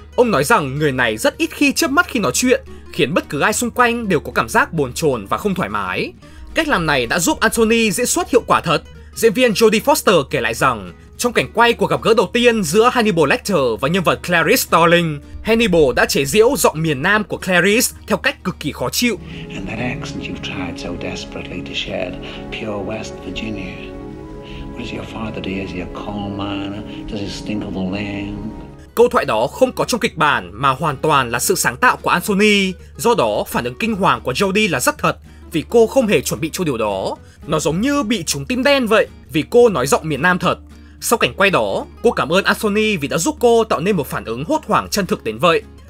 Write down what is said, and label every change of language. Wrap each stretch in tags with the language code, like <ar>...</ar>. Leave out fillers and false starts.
<vi>Ông nói rằng người này rất ít khi chớp mắt khi nói chuyện, khiến bất cứ ai xung quanh đều có cảm giác bồn chồn và không thoải mái. Cách làm này đã giúp Anthony diễn xuất hiệu quả thật. Diễn viên Jodie Foster kể lại rằng trong cảnh quay cuộc gặp gỡ đầu tiên giữa Hannibal Lecter và nhân vật Clarice Starling, Hannibal đã chế giễu giọng miền Nam của Clarice theo cách cực kỳ khó chịu.</vi> <en>And that accent you've tried so desperately to shed, pure West Virginia. What is your father, dear? Is he a coal miner? Does he stink of the land?</en> <vi>Câu thoại đó không có trong kịch bản mà hoàn toàn là sự sáng tạo của Anthony. Do đó phản ứng kinh hoàng của Jodie là rất thật vì cô không hề chuẩn bị cho điều đó. Nó giống như bị trúng tim đen vậy vì cô nói giọng miền Nam thật. Sau cảnh quay đó, cô cảm ơn Anthony vì đã giúp cô tạo nên một phản ứng hốt hoảng chân thực đến vậy.</vi>